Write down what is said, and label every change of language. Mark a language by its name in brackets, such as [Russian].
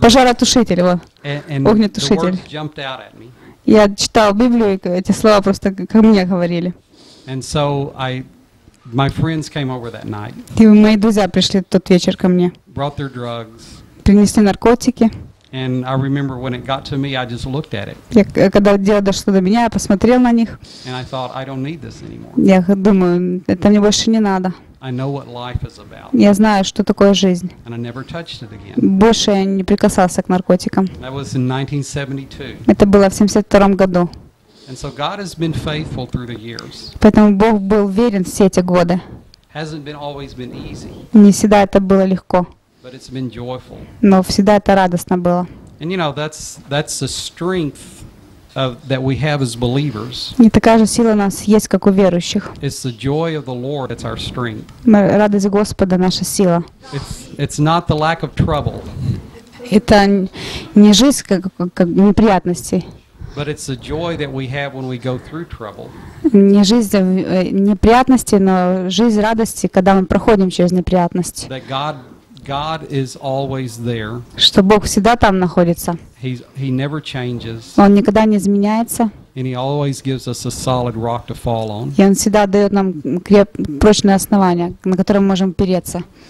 [Russian] пожаротушитель, вот, огнетушитель. Я читал Библию, и эти слова просто ко мне говорили. [English] And so my friends came over that night. [Russian] И мои друзья пришли тот вечер ко мне. [English] Brought their drugs. [Russian] Принесли наркотики. [English] And I remember when it got to me, I just looked at it. [Russian] Я когда дело дошло до меня, я посмотрел на них. [English] And I thought, I don't need this anymore. [Russian] Я думаю, это мне больше не надо. [English] I know what life is about. [Russian] Я знаю, что такое жизнь. [English] And I never touched it again. [Russian] Больше я не прикасался к наркотикам. [English] That was in 1972. [Russian] Это было в 72 году. [English] And so God has been faithful through the years. [Russian] Поэтому Бог был верен все эти годы. [English] Hasn't been always been easy. [Russian] Не всегда это было легко. [English] But it's been joyful. [Russian] Но всегда это радостно было. [English] And you know, that's the strength that we have as believers. [Russian] И такая же сила у нас есть, как у верующих. [English] It's the joy of the Lord, it's our strength. [Russian] Радость Господа наша сила. [English] It's not the lack of trouble. [Russian] Это не жизнь как неприятностей. [English] But it's the joy that we have when we go through trouble. [Russian] Не жизнь неприятностей, но жизнь радости, когда мы проходим через неприятности. [English] That God is always there. [Russian] Что Бог всегда там находится. [English] He never changes. [Russian] Он никогда не изменяется. [English] And he always gives us a solid rock to fall on. [Russian] И он всегда дает нам прочное основание, на котором мы можем опереться.